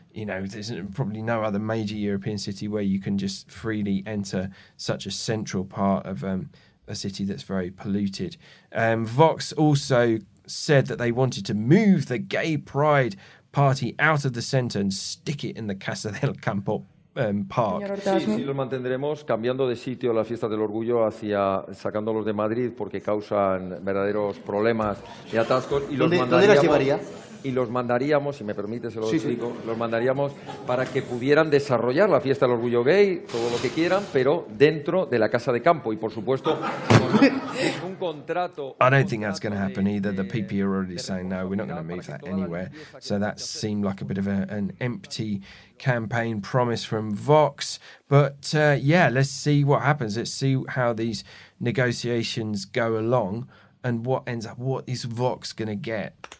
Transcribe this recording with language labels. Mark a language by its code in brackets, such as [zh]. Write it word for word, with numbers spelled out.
[en] You know, there's probably no other major European city where you can just freely enter such a central part of um, a city that's very polluted. Um, Vox also said that they wanted to move the Gay Pride party out of the centre and stick it in the Casa del Campo um, park. [es] Sí, sí, los mantendremos cambiando de sitio las fiestas del orgullo hacia sacándolos de Madrid porque causan verdaderos problemas y atascos y los mandaríamos. ¿Dónde las llevaría? y los mandaríamos, si me permite se lo sí, explico, sí. los mandaríamos para que pudieran desarrollar la fiesta del orgullo gay, todo lo que quieran, pero dentro de la casa de campo y, por supuesto, con un contrato... [en] I don't think that's going to happen either. The P P are already saying, no, we're not going to move that anywhere. So that seemed like a bit of a, an empty campaign promise from Vox. But, uh, yeah, let's see what happens. Let's see how these negotiations go along and what ends up, what is Vox going to get?